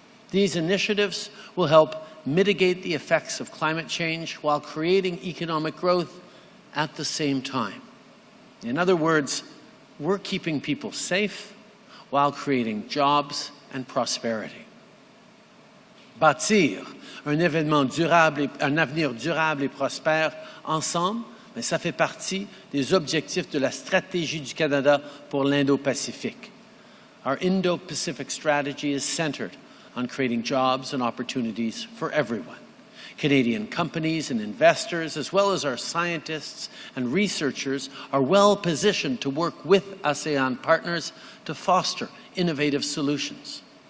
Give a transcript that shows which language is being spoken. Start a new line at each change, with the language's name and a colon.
English: These initiatives will help mitigate the effects of climate change while creating economic growth at the same time. In other words, we're keeping people safe while creating jobs and prosperity.
French: Bâtir un événement durable, un avenir durable et prospère ensemble, mais ça fait partie des objectifs de la stratégie du Canada pour l'Indo-Pacifique.
English: Our Indo-Pacific strategy is centered on creating jobs and opportunities for everyone. Canadian companies and investors, as well as our scientists and researchers, are well positioned to work with ASEAN partners to foster innovative solutions.